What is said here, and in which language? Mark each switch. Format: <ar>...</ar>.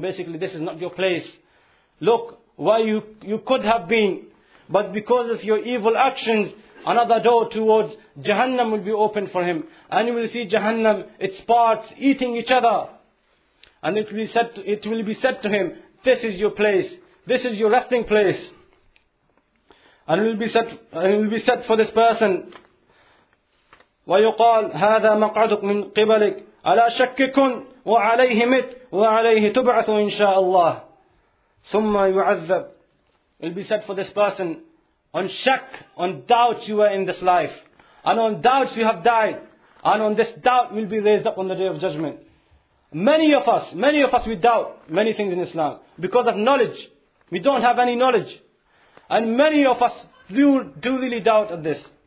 <en>Basically, this is not your place. Look, where you could have been. But because of your evil actions, another door towards Jahannam will be opened for him. And you will see Jahannam, its parts eating each other. And it will be said to him, this is your place. This is your resting place. And it will be said for this person,</en> <ar>ويقال هذا مقعدك من قبلك على شكك وعليه مت وعليه تبعث إن شاء الله ثم يعذب.</ar> <en>It will be said for this person, on shak, on doubt you were in this life, and on doubts you have died, and on this doubt will be raised up on the day of judgment. Many of us we doubt many things in Islam because of knowledge. We don't have any knowledge, and many of us do really doubt at this.</en>